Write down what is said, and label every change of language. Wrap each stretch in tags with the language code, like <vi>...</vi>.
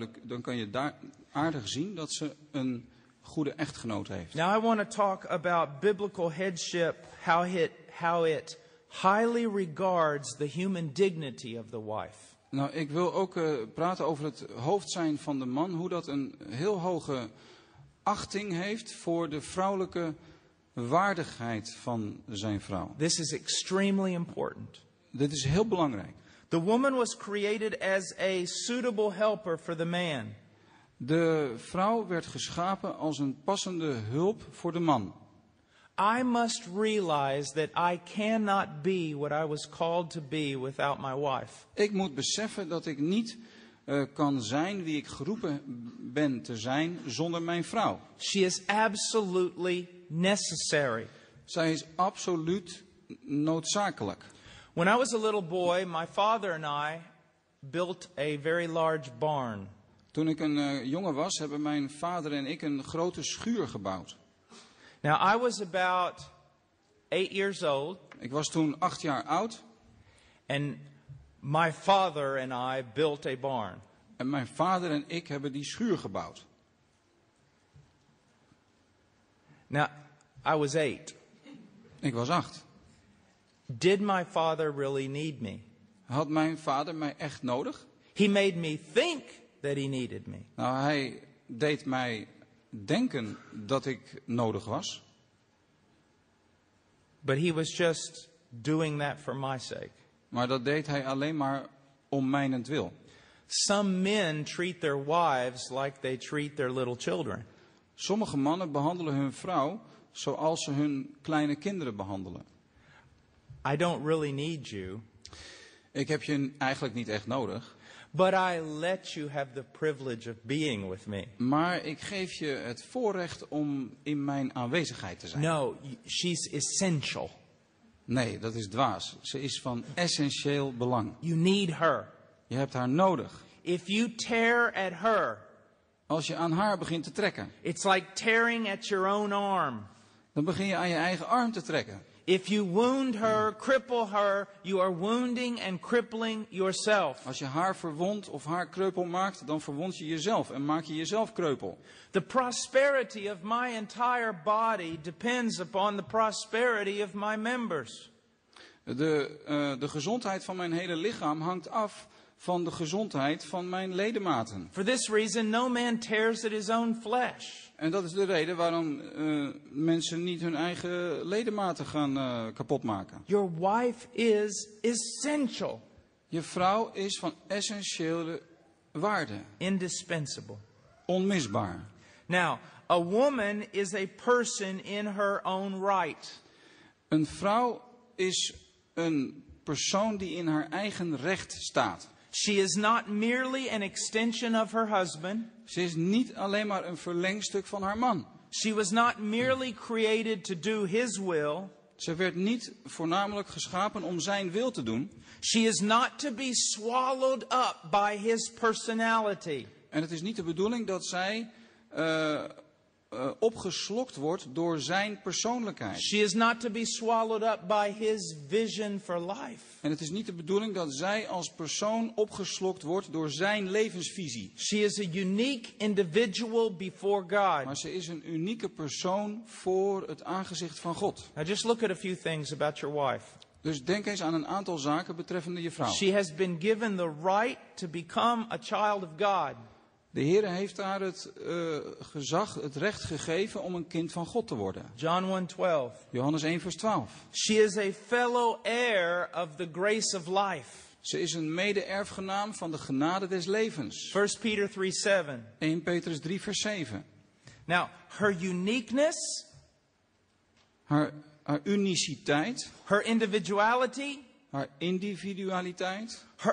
<nl>Dan kan je heel duidelijk zien dat ze een goede echtgenoot heeft.</nl> <en>Now I want to talk about biblical headship, how it highly regards the human dignity of the wife.</en> <nl>Nou, ik wil ook praten over het hoofd zijn van de man, hoe dat een heel hoge achting heeft voor de vrouwelijke waardigheid van zijn vrouw.</nl> <en>This is extremely important.</en> <nl>Dit is heel belangrijk.</nl> <en>The woman was created as a suitable helper for the man.</en> <nl>De vrouw werd geschapen als een passende hulp voor de man.</nl> <en>I must realize that I cannot be what I was called to be without my wife.</en> <nl>Ik moet beseffen dat ik niet kan zijn wie ik geroepen ben te zijn zonder mijn vrouw.</nl> <en>She is absolutely necessary.</en> <nl>Zij is absoluut noodzakelijk.</nl> <en>When I was a little boy, my father and I built a very large barn.</en> <nl>Toen ik een jongen was, hebben mijn vader en ik een grote schuur gebouwd.</nl> <en>Now I was about 8 years old.</en> <nl>Ik was toen 8 jaar oud.</nl> <en>And my father and I built a barn.</en> <nl>En mijn vader en ik hebben die schuur gebouwd.</nl> <en>Now I was 8.</en> <nl>Ik was 8.</nl> <en>Did my father really need me?</en> <nl>Had mijn vader mij echt nodig?</nl> <en>He made me think that he needed me.</en> <nl>Nou, hij deed mij denken dat ik nodig was.</nl> <en>But he was just doing that for my sake.</en> <nl>Maar dat deed hij alleen maar om mijnentwil.</nl> <en>Some men treat their wives like they treat their little children.</en> <nl>Sommige mannen behandelen hun vrouw zoals ze hun kleine kinderen behandelen.</nl> <en>I don't really need you.</en> <nl>Ik heb je eigenlijk niet echt nodig.</nl> <en>But I let you have the privilege of being with me.</en> <nl>Maar ik geef je het voorrecht om in mijn aanwezigheid te zijn.</nl> <en>No, she's essential.</en> <nl>Nee, dat is dwaas. Ze is van essentieel belang.</nl> <en>You need her.</en> <nl>Je hebt haar nodig.</nl> <en>If you tear at her.</en> <nl>Als je aan haar begint te trekken.</nl> <en>It's like tearing at your own arm.</en> <nl>Dan begin je aan je eigen arm te trekken.</nl> <en>If you wound her, cripple her, you are wounding and crippling yourself.</en> <nl>Als je haar verwondt of haar kreupel maakt, dan verwond je jezelf en maak je jezelf kreupel.</nl> <en>The prosperity of my entire body depends upon the prosperity of my members.</en> <nl>De gezondheid van mijn hele lichaam hangt af van de gezondheid van mijn ledematen.</nl> <en>For this reason, no man tears at his own flesh.</en> <nl>En dat is de reden waarom mensen niet hun eigen ledematen gaan kapotmaken.</nl> <en>Your wife is essential.</en> <nl>Je vrouw is van essentiële waarde.</nl> <en>Indispensable.</en> <nl>Onmisbaar.</nl> <en>Now, a woman is a person in her own right.</en> <nl>Een vrouw is een persoon die in haar eigen recht staat.</nl> <en>She is not merely an extension of her husband.</en> <nl>Ze is niet alleen maar een verlengstuk van haar man.</nl> <en>She was not merely created to do his will.</en> <nl>Ze werd niet voornamelijk geschapen om zijn wil te doen.</nl> <en>She is not to be swallowed up by his personality.</en> <nl>En het is niet de bedoeling dat zij opgeslokt wordt door zijn persoonlijkheid.</nl> <en>She is not to be swallowed up by his vision for life.</en> <nl>En het is niet de bedoeling dat zij als persoon opgeslokt wordt door zijn levensvisie.</nl> <en>She is a unique individual before God.</en> <nl>Maar ze is een unieke persoon voor het aangezicht van God.</nl> <en>Now just look at a few things about your wife.</en> <nl>Dus denk eens aan een aantal zaken betreffende je vrouw.</nl> <en>She has been given the right to become a child of God.</en> <nl>De Heer heeft haar het gezag, het recht gegeven om een kind van God te worden.</nl> <en>John 1:12.</en> <nl>Johannes 1 vers 12.</nl> <en>She is a fellow heir of the grace of life.</en> <nl>Ze is een mede-erfgenaam van de genade des levens.</nl> <en>1 Peter 3:7.</en> <nl>1 Petrus 3 vers 7.</nl> <en>Now, her uniqueness,</en> <nl>haar uniciteit,</nl> <en>her individuality,</en> <nl>haar individualiteit,</nl>